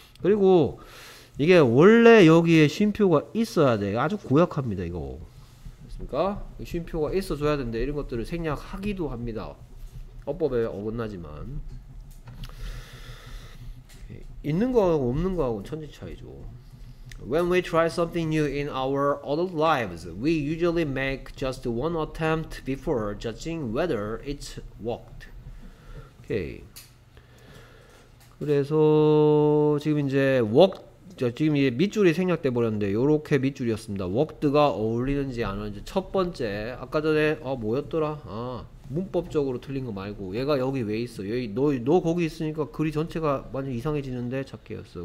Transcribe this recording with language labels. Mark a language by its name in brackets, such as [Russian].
[Korean] 그리고 이게 원래 여기에 쉼표가 있어야 돼. 아주 고약합니다 이거. 됐습니까? 쉼표가 있어줘야 되는데 이런 것들을 생략하기도 합니다. 어법에 어긋나지만 있는 거하고 없는 거하고 천지 차이죠. [English] When we try something new in our adult lives, we usually make just one attempt before judging whether it's worked. Okay. [Korean] 그래서 지금 이제 worked 지금 이제 밑줄이 생략돼 버렸는데 요렇게 밑줄이었습니다. worked가 어울리는지 안 어울리는지 첫 번째 아까 전에 뭐였더라? 문법적으로 틀린 거 말고 얘가 여기 왜 있어? 여기 너 거기 있으니까 글이 전체가 완전 이상해지는데 찾기였어.